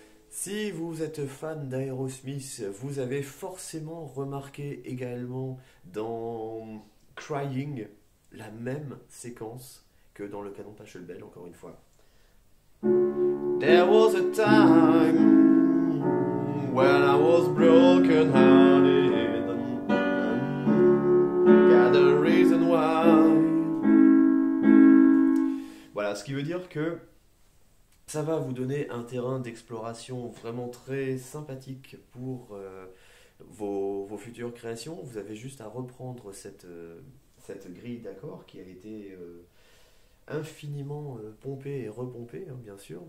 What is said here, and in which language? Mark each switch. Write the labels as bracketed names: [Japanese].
[French] Si vous êtes fan d'Aerosmith, vous avez forcément remarqué également dans Crying la même séquence. Que dans le canon Pachelbel, encore une fois. [English] There was a time when I was broken hearted and got a reason why. [French] Voilà, ce qui veut dire que ça va vous donner un terrain d'exploration vraiment très sympathique pour vos futures créations. Vous avez juste à reprendre cette grille d'accords qui a été infiniment pompée et repompée, hein, bien sûr.